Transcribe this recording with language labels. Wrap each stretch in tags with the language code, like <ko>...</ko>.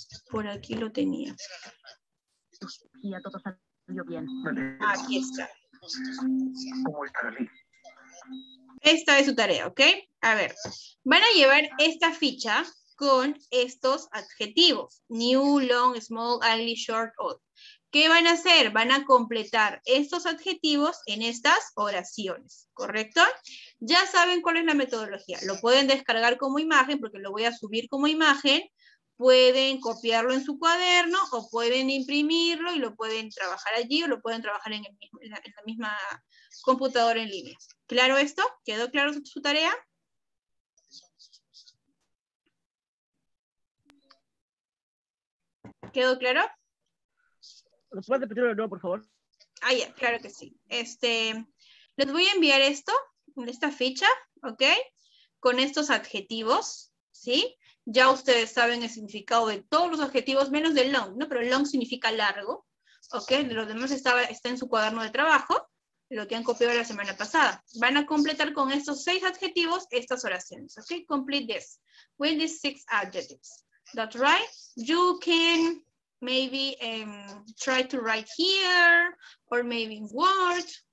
<es>Por aquí lo tenía. Y a todo salió bien. Aquí está. ¿Cómo está la ley? Esta es su tarea, ¿ok? A ver, van a llevar esta ficha con estos adjetivos.</es> <en>New, long, small, ugly, short, old.</en> <es>¿Qué van a hacer? Van a completar estos adjetivos en estas oraciones, ¿correcto? Ya saben cuál es la metodología. Lo pueden descargar como imagen porque lo voy a subir como imagen. Pueden copiarlo en su cuaderno o pueden imprimirlo y lo pueden trabajar allí o lo pueden trabajar en, la misma computadora en línea. ¿Claro esto? ¿Quedó claro su tarea? ¿Quedó claro? ¿Lo puedes repetir de nuevo, por favor? Ah, ya, claro que sí. Les voy a enviar esto, esta ficha, ¿ok? Con estos adjetivos, ¿sí? Ya ustedes saben el significado de todos los adjetivos, menos del long, ¿no? Pero el long significa largo, ¿ok? Los demás está en su cuaderno de trabajo, lo que han copiado la semana pasada. Van a completar con estos 6 adjetivos estas oraciones, ¿ok?</es> <en>Complete this. With these 6 adjectives. That's right. You can maybe try to write here, or maybe in Word,</en>